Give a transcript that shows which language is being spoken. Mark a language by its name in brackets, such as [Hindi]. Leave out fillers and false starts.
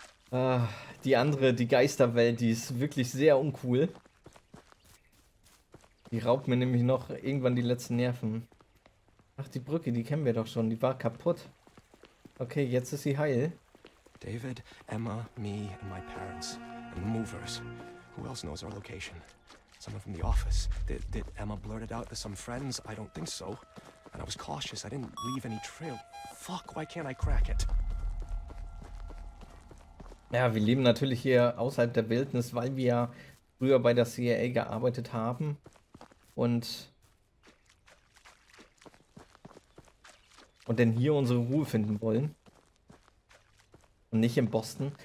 [German] Ah, die Geisterwelt, die ist wirklich sehr uncool. Die raubt mir nämlich noch irgendwann die letzten Nerven. Ach, die Brücke, die kennen wir doch schon. Die war kaputt. Okay, jetzt ist sie heil. [English] David, Emma, me, and my parents, and the movers. Who else knows our location? Someone from the office. Did Emma blurt it out to some friends? I don't think so. And I was cautious. I didn't leave any trail. Fuck, why can't I crack it? [German] Ja, wir leben natürlich hier außerhalb der Wildnis, weil wir ja früher bei der CIA gearbeitet haben. Und denn hier unsere Ruhe finden wollen. Und nicht in Boston.